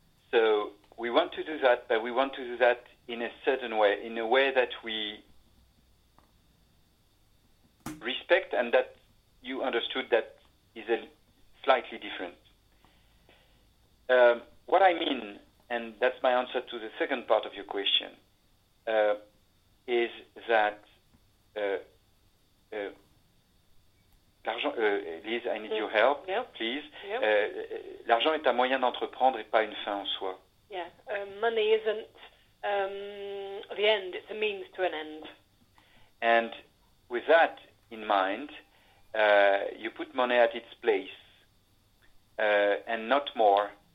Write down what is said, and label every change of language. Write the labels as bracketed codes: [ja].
[en] So we want to do that, but we want to do that in a certain way, in a way that we respect and that you understood that is a slightly different. What I mean, and that's my answer to the second part of your question, is that l'argent, Liz, I need your help, please. [fr] L'argent est un moyen d'entreprendre et pas une fin en soi. [en] Yeah, money isn't the end, it's a means to an end. And with that in mind, you put money at its place and not more.